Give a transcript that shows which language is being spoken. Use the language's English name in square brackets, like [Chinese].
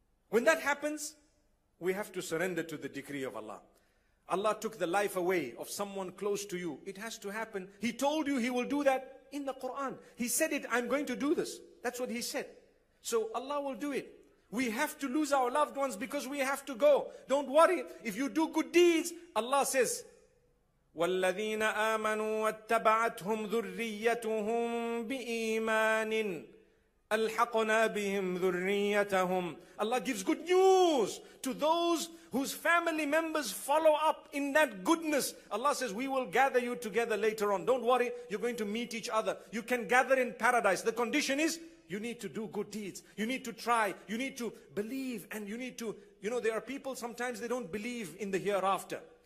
[English] When that happens, we have to surrender to the decree of Allah. Allah took the life away of someone close to you. It has to happen. He told you He will do that in the Quran. He said it, I'm going to do this. That's what He said. So Allah will do it. We have to lose our loved ones because we have to go. Don't worry. If you do good deeds, Allah says, [Arabic] وَالَّذِينَ آمَنُوا وَاتَّبَعَتْهُمْ ذُرِّيَّتُهُمْ بِإِيمَانٍ أَلْحَقْنَا بِهِمْ ذُرِّيَّتَهُمْ. [English] Allah gives good news to those whose family members follow up in that goodness. Allah says, we will gather you together later on. Don't worry. You're going to meet each other. You can gather in paradise. The condition is, you need to do good deeds. You need to try. You need to believe. And you need to, you know, there are people sometimes they don't believe in the hereafter.